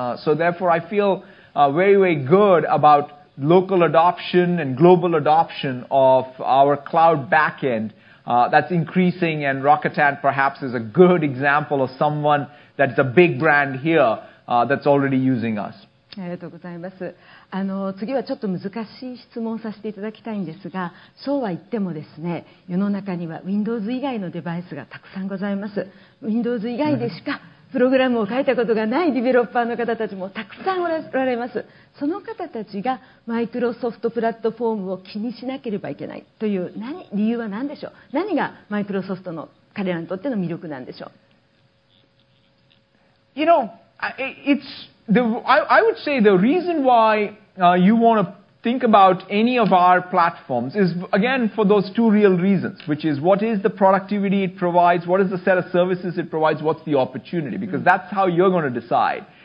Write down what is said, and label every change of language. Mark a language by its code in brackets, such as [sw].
[en] So therefore, I feel very, very good about local adoption and global adoption of our cloud backend that's increasing, and Rakuten perhaps is a good example of someone that's a big brand here that's already using us. [ja] ありがとうございます。次はちょっと難しい質問をさせていただきたいんですが、そうは言ってもですね、世の中には Windows 以外のデバイスがたくさんございます。 Windows 以外でしか、mm-hmm. プログラムを書いたことがないディベロッパーの方たちもたくさんおられます。その方たちがマイクロソフトプラットフォームを気にしなければいけないという理由は何でしょう。何がマイクロソフトの彼らにとっての魅力なんでしょう。 [en] You know, it's the, I would say the reason why you want to think about any of our platforms is again for those two real reasons, which is what is the productivity it provides, what is the set of services it provides, what's the opportunity, because that's how you're going to decide.